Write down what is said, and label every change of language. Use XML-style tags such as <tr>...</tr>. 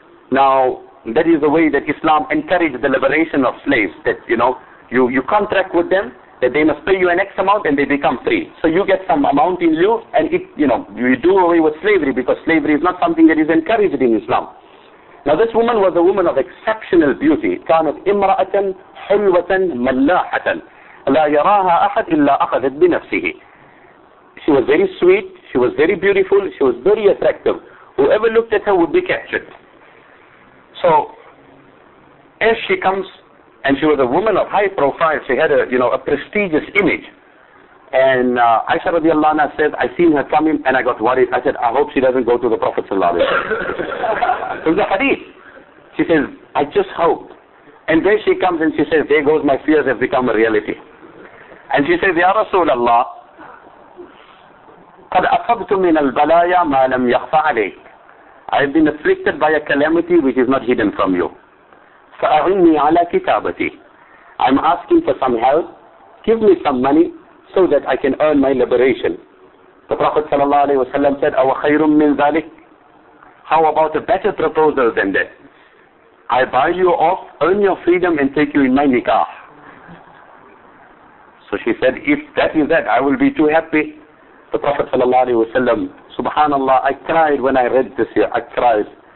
<en>Now, that is the way that Islam encouraged the liberation of slaves. That, you know, you contract with them, that they must pay you an X amount and they become free. So you get some amount in lieu and it, you know, you do away with slavery, because slavery is not something that is encouraged in Islam. Now, this woman was a woman of exceptional beauty.</en> <ar>كانت إمرأةً حلوةً ملاحةً لا يراها أحد إلا أخذت بنفسه.</ar> <en>She was very sweet, she was very beautiful, she was very attractive. Whoever looked at her would be captured. So, as she comes, and she was a woman of high profile, she had a prestigious image. And Aisha radiallahu anha says, I seen her coming and I got worried. I said, I hope she doesn't go to the Prophet sallallahu alayhi wa sallam. It was a hadith. She says, I just hope. And then she comes and she says, there goes, my fears have become a reality. And she says, Ya Rasulallah,</en> <ar>قَدْ أَفَبْتُ مِنَ الْبَلَايَا مَا لَمْ يَخْفَ عَلَيْكَ.</ar> <en>I have been afflicted by a calamity which is not hidden from you.</en> <ar>فَأَعِنِّي عَلَى كِتَابَتِي.</ar> <en>I'm asking for some help. Give me some money so that I can earn my liberation. The Prophet ﷺ said,</en> <ar>أَوَ خَيْرٌ مِّن ذَلِكَ.</ar> <en>How about a better proposal than that? I buy you off, earn your freedom and take you in my nikah. So she said, if that is that, I will be too happy. The Prophet sallallahu alaihi wasallam, subhanallah, I cried when I read this here, I cried.</en>